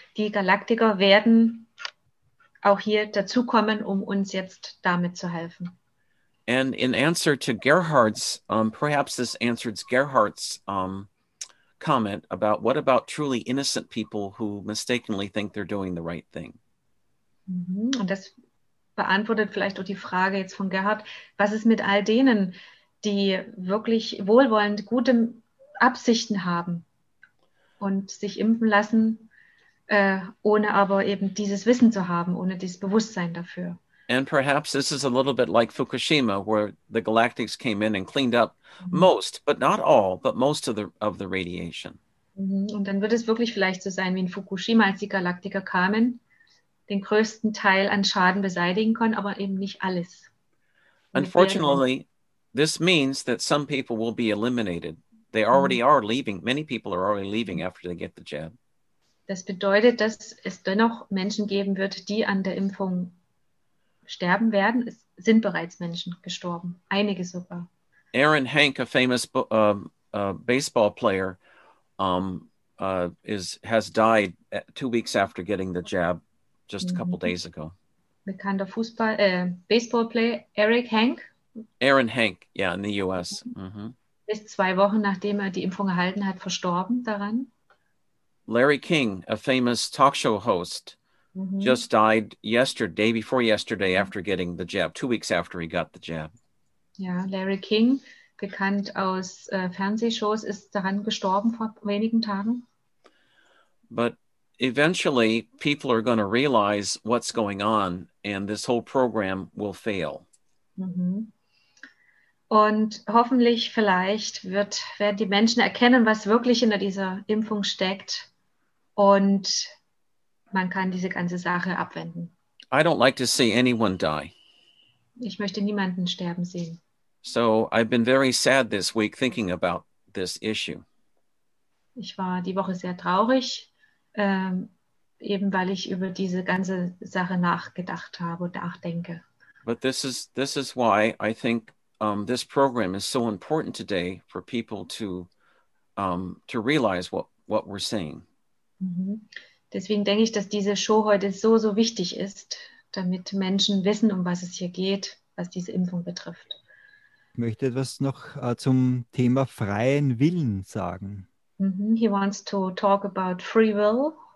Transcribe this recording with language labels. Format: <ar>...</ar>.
<de>Die Galaktiker werden auch hier dazukommen, um uns jetzt damit zu helfen.</de> <en>And in answer to Gerhard's, perhaps this answers Gerhard's comment about what about truly innocent people who mistakenly think they're doing the right thing. Mm-hmm.</en> <de>Und das beantwortet vielleicht auch die Frage jetzt von Gerhard. Was ist mit all denen, die wirklich wohlwollend gute Absichten haben und sich impfen lassen, ohne aber eben dieses Wissen zu haben, ohne dieses Bewusstsein dafür?</de> <en>And perhaps this is a little bit like Fukushima, where the Galactics came in and cleaned up most, but not all, but most of the radiation.</en> <de>Und dann wird es wirklich vielleicht so sein wie in Fukushima, als die Galaktiker kamen, den größten Teil an Schaden beseitigen konnten, aber eben nicht alles.</de> <en>Unfortunately, this means that some people will be eliminated. They already are leaving. Many people are already leaving after they get the jab.</en> <de>Das bedeutet, dass es dennoch Menschen geben wird, die an der Impfung sterben werden. Es sind bereits Menschen gestorben, einige sogar.</de> <en>Aaron Hank, a famous baseball player, has died 2 weeks after getting the jab, just a couple days ago.</en> <de>Bekannter Fußball,</de> <en>baseball player</en> <de>Eric Hank.</de> <en>Aaron Hank, yeah, in the U.S. Mm-hmm.</en> <de>Ist 2 Wochen nachdem er die Impfung erhalten hat verstorben daran.</de> <en>Larry King, a famous talk show host. Mm-hmm. Just died yesterday, day before yesterday, after getting the jab, 2 weeks after he got the jab.</en> <de>Ja, Larry King, bekannt aus Fernsehshows, ist daran gestorben vor wenigen Tagen.</de> <en>But eventually people are going to realize what's going on and this whole program will fail. Mm-hmm.</en> <de>Und hoffentlich vielleicht werden die Menschen erkennen, was wirklich hinter dieser Impfung steckt und man kann diese ganze Sache abwenden.</de> <en>I don't like to see anyone die.</en> <de>Ich möchte niemanden sterben sehen.</de> <en>So I've been very sad this week thinking about this issue.</en> <de>Ich war die Woche sehr traurig, eben weil ich über diese ganze Sache nachgedacht habe und nachdenke.</de> <en>But this is why I think this program is so important today for people to realize what we're saying. Mm-hmm.</en> <de>Deswegen denke ich, dass diese Show heute so, so wichtig ist, damit Menschen wissen, um was es hier geht, was diese Impfung betrifft. Ich möchte etwas noch zum Thema freien Willen sagen.</de> <en>Mm-hmm. He wants to talk about free will.</en>